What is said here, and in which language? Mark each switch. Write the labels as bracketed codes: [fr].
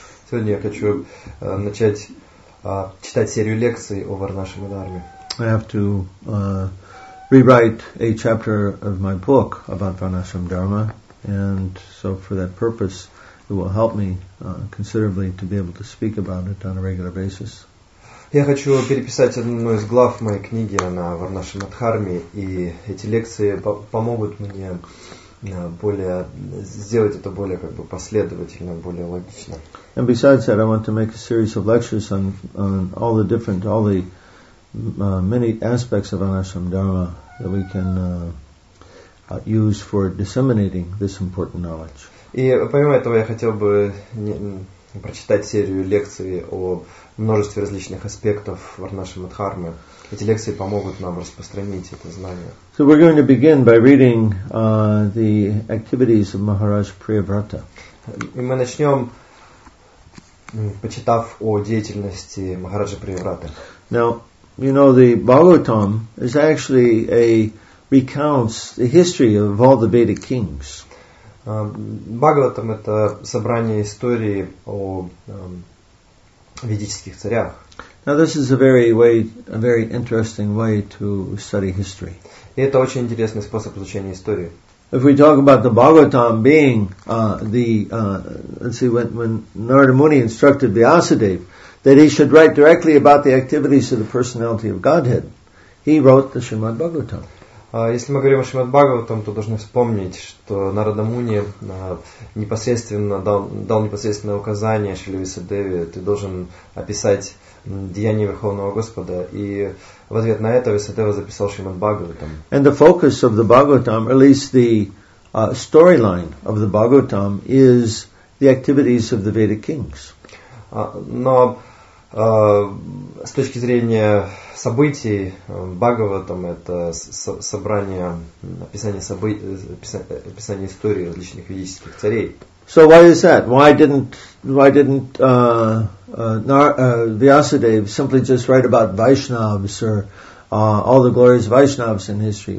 [ru] Сегодня я хочу начать читать серию лекций о Варнашрама Дхарме. [en] I have to rewrite a chapter of my book about Vanashram Dharma, and so for that purpose it will help me considerably to be able to speak about it on a regular basis. [ru] Я хочу переписать одну из глав моей книги на Варнашрама Дхарме, и эти лекции помогут мне более сделать это более как бы последовательно, более логично. [en] And besides that, I want to make a series of lectures on all the different, all the many aspects of Vanashram Dharma that we can use for disseminating this important knowledge. [ru] И помимо этого, я хотел бы прочитать серию лекций о множестве различных аспектов Варнашрама Дхармы. Эти лекции помогут нам распространить это знание. [en] So we're going to begin by reading the activities of Maharaj Priyavrata. [ru] И мы начнем, почитав о деятельности Махараджа Приеврата. [en] Now, you know, the Bhagavatam is actually recounts the history of all the Vedic kings. [ru] Бхагаватам – это собрание истории о ведических царях. [en] Now, this is a very interesting way to study history. [ru] И это очень интересный способ изучения истории. [en] If we talk about the Bhagavatam being when Narada Muni instructed Vyasadeva that he should write directly about the activities of the personality of Godhead, he wrote the Srimad Bhagavatam. [ru] Если мы говорим о Шримад Бхагаватам, то должны вспомнить, что Нарада Муни непосредственно дал непосредственное указание Шри Висадеве, ты должен описать деяния Верховного Господа. И в ответ на это Висадева записал Шримад Бхагаватам. [en] And the focus of the Bhagavatam, or at least the storyline of the Bhagavatam, is the activities of the Vedic kings. [ru] С точки зрения событий Бхагаватам, это собрание, описание событий, описание истории различных ведических царей. [en] So why is that? Why didn't Vyasadeva simply just write about Vaishnavas or all the glories of Vaishnavas in history?